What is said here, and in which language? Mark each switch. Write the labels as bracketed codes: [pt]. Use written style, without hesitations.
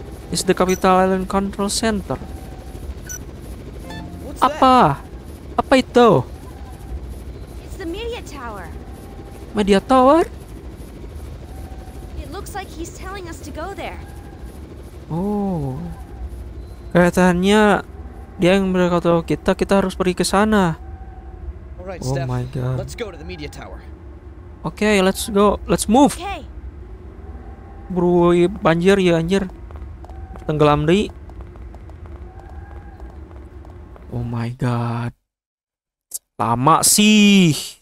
[en] Is the Capital Island Control Center? What's [id] apa? [en] That? [id] Apa itu? [en] It's the media tower. Media tower? It looks like he's telling us to go there. Oh. [id] Kelihatannya dia yang berkata kita, kita harus pergi ke sana. [en] Right, oh Steph. My god. Let's go to the media tower. Okay, let's go. Let's move. Okay. [id] Bro, banjir ya anjir. Tenggelam di. [en] Oh my god. Lama sih.